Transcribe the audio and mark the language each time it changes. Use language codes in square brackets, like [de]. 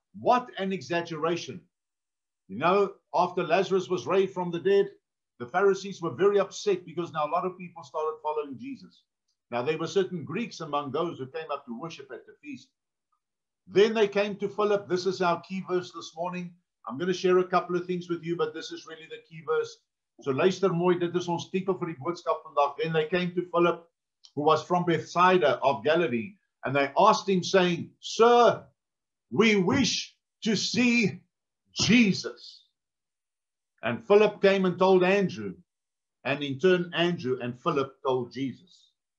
[en] What an exaggeration. You know, after Lazarus was raised from the dead, the Pharisees were very upset, because now a lot of people started following Jesus. Now, there were certain Greeks among those who came up to worship at the feast. Then they came to Philip. This is our key verse this morning. I'm going to share a couple of things with you, but this is really the key verse. [af] So, luister mooi, dit is ons tipe vir die boodskap vandag. [en] Then they came to Philip, who was from Bethsaida of Galilee, and they asked him, saying, "Sir, we wish to see Jesus." And Philip came and told Andrew, and in turn, Andrew and Philip told Jesus.